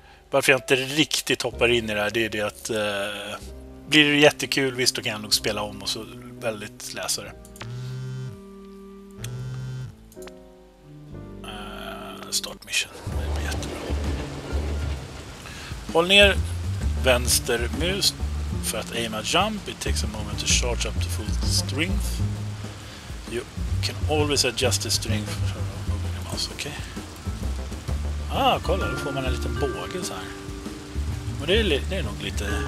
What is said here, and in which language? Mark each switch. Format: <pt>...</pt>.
<sv>Varför jag inte riktigt hoppar in i det här, det är det att blir det jättekul, visst, då kan jag nog spela om och så väldigt läsa det.</sv> <en>Start mission.</en> <sv>Det blir jättebra. Håll ner vänster mus för att</sv> <en>aim a jump. It takes a moment to charge up to full strength. You can always adjust the strength for moving your mouse. Okay.</en> <sv>Ah, kolla, då får man en liten båge så här. Men det är nog lite...</sv>